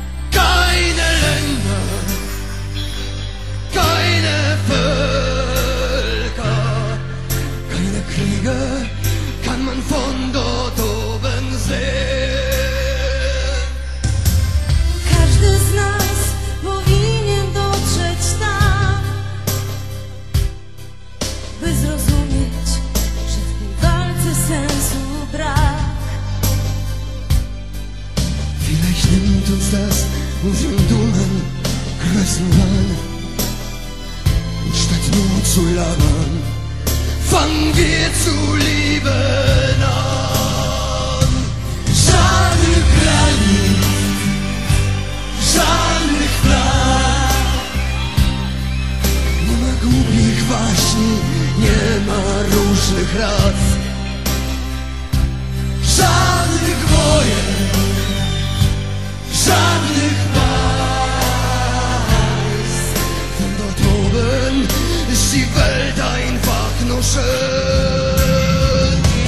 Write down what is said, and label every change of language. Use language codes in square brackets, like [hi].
[de] Keine Länder, keine Völker, keine Kriege kann man von dort oben sehen. [pl] Każdy z nas powinien dotrzeć tam, by zrozumieć, że w tej walce sensu brak. [de] Vielleicht nimmt uns das unseren dummen Größenwahn. Und statt nur zu labern, fangen wir zu lieben an. Jean-Luc Rally, Jean-Luc Blanc. [pl] Nie ma głupich waśni, nie ma różnych rad. Żadnych wojen, żadnych państw. [de] Von dort oben ist die Welt einfach nur schön.